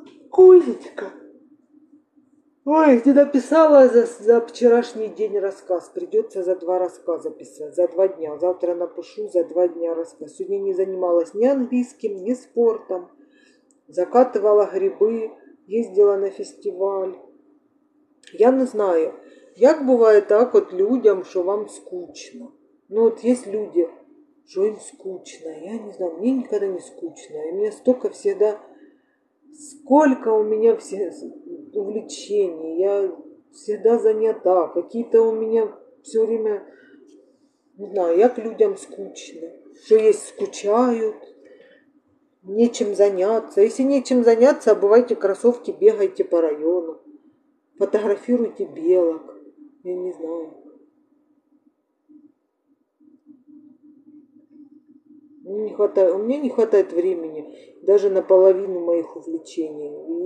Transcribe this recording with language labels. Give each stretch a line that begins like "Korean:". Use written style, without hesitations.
Russian: Кузечка. Ой, ты написала за вчерашний день рассказ. Придется за два рассказа писать. За два дня. Завтра напишу за два дня рассказ. Сегодня не занималась ни английским, ни спортом. Закатывала грибы. Ездила на фестиваль.
Ukrainian: Я не знаю, як буває так от людям, що вам скучно. Ну от є люди, що їм скучно. Я не знаю, мені ніколи не скучно. І мені стільки завжди, скільки у мене всі увлечення. Я завжди зайнята. Які-то у мене
Russian: все время,
Ukrainian: не знаю, як людям скучно. Що є, скучають.
Russian: Нечем заняться. Если нечем заняться, обувайте кроссовки, бегайте по району. Фотографируйте белок. Я не знаю. У меня не хватает времени даже на половину моих увлечений.